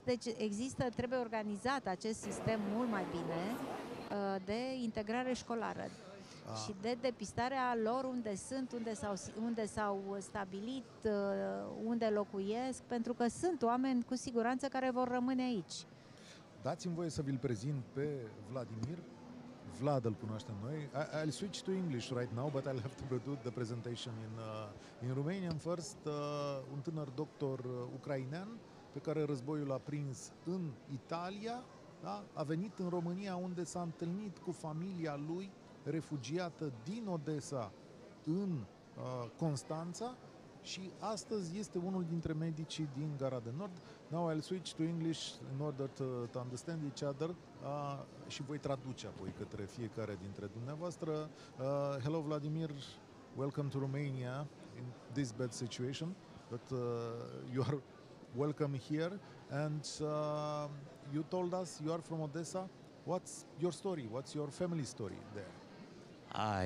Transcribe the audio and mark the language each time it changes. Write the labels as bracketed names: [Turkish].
[Romanian] Deci există, trebuie organizat acest sistem mult mai bine de integrare școlară. Și de depistarea lor unde sunt, unde s-au stabilit, unde locuiesc, pentru că sunt oameni cu siguranță care vor rămâne aici. Dați-mi voie să vi-l prezint pe Vladimir. Vlad îl cunoaștem noi. [English] I'll switch to English right now, but I'll have to do the presentation in Romanian first. [Romanian] Un tânăr doctor ucrainean pe care războiul a prins în Italia, da? A venit în România unde s-a întâlnit cu familia lui refugiată din Odessa în Constanța și astăzi este unul dintre medicii din Gara de Nord. [English] Now I'll switch to English in order to understand each other [Romanian] și voi traduce apoi către fiecare dintre dumneavoastră. [English] Hello Vladimir, welcome to Romania in this bad situation, but you are welcome here and you told us you are from Odessa. What's your story? What's your family story there?